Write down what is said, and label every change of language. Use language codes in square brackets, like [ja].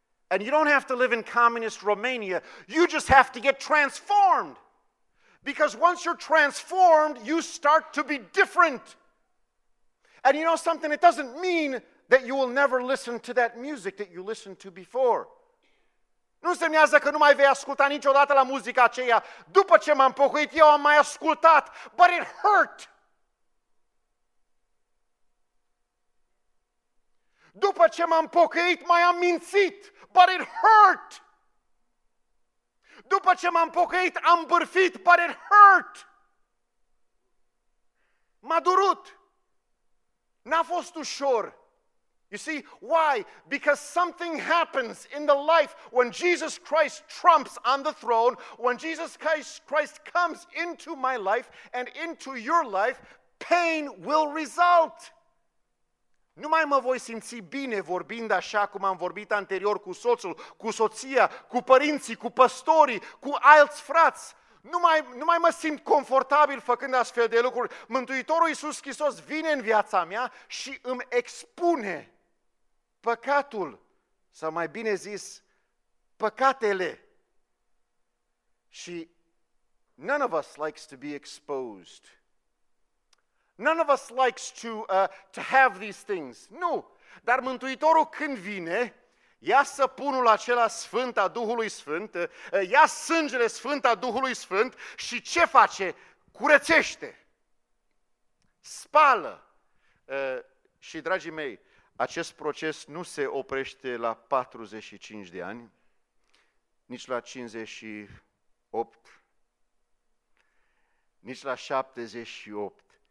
[en] And you don't have to live in communist Romania. You just have to get transformed. Because once you're transformed, you start to be different. And you know something? It doesn't mean that you will never listen to that music that you listened to before. [ro] Nu semnează că nu mai vei asculta niciodată la muzica aceea. După ce m-am pocăit, eu am mai ascultat. [en] But it hurt. [ro] După ce m-am pocăit, mai am mințit. [en] But it hurt. [ro] După ce m-am pocăit, am bârfit. [en] But it hurt. [ro] M-a durut. N-a fost ușor. [en] You see, why? Because something happens in the life when Jesus Christ trumps on the throne, when Jesus Christ comes into my life and into your life, pain will result. [ro] Nu mai mă voi simți bine vorbind așa cum am vorbit anterior cu soțul, cu soția, cu părinții, cu păstorii, cu alți frați. Nu mai mă simt confortabil făcând astfel de lucruri. Mântuitorul Iisus Hristos vine în viața mea și îmi expune păcatul, sau mai bine zis, păcatele. Și [en] none of us likes to be exposed. None of us likes to have these things. [ro] Nu, dar Mântuitorul când vine, ia săpunul acela sfânt a Duhului Sfânt, ia sângele sfânt a Duhului Sfânt și ce face? Curățește, spală. Și dragii mei, acest proces nu se oprește la 45 de ani, nici la 58, nici la 78.